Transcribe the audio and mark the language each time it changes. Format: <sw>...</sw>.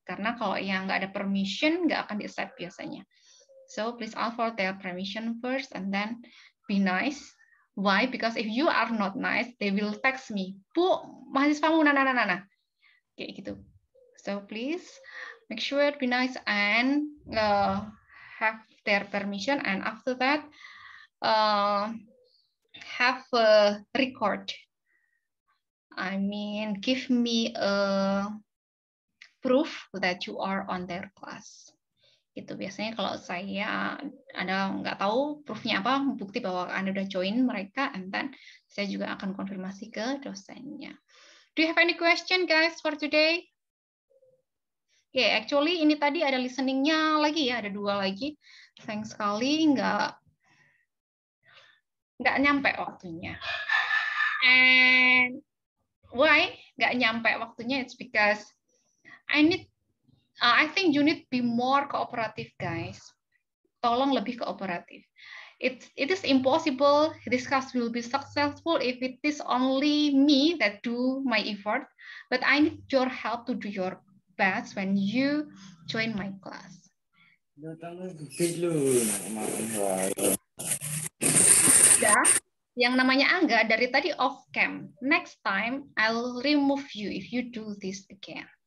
<id>Karena kalau yang nggak ada permission, nggak akan di-accept biasanya.</id> <en>So please ask for their permission first and then be nice. Why? Because if you are not nice, they will text me.</en> <id>Bu, mahasiswamu, nana. Kayak gitu.</id> <en>So please make sure be nice and have their permission. And after that, have a record. I mean, give me a proof that you are on their class.</en> <id>Itu biasanya kalau saya ada nggak tahu proofnya apa, bukti bahwa Anda udah join mereka,</id> <en>and then</en> <id>saya juga akan konfirmasi ke dosennya.</id> <en>Do you have any question, guys, for today?</en> <id>Okay, actually ini tadi ada listening-nya lagi ya, ada dua lagi. Thanks sekali, nggak nyampe waktunya.</id> <en>And why</en> <id>nggak nyampe waktunya?</id> <en>It's because I think you need be more cooperative, guys.</en> <id>Tolong lebih kooperatif.</id> <en>It is impossible this class will be successful if it is only me that do my effort. But I need your help to do your best when you join my class.</en> <id>Ya, yang namanya Angga dari tadi off cam.</id> <en>Next time I'll remove you if you do this again.</en>